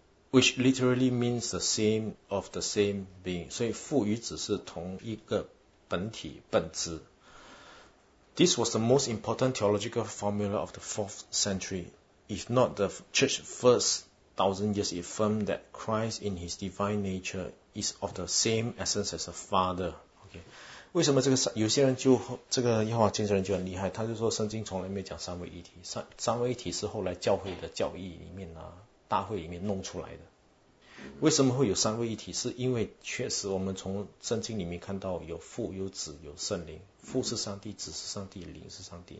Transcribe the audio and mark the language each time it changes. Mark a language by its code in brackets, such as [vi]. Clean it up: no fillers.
[en] Which literally means the same of the same being. [zh] 所以父与子是同一个本体本质。 [en] This was the most important theological formula of the 4th century. If not the church first 1,000 years, it affirmed that Christ in his divine nature is of the same essence as the Father. Okay. [zh] 为什么这个有些人就这个耶和华见证人就很厉害，他就说圣经从来没讲三位一体，三位一体是后来教会的教义里面啊大会里面弄出来的。为什么会有三位一体？是因为确实我们从圣经里面看到有父有子有圣灵，父是上帝，子是上帝，灵是上帝。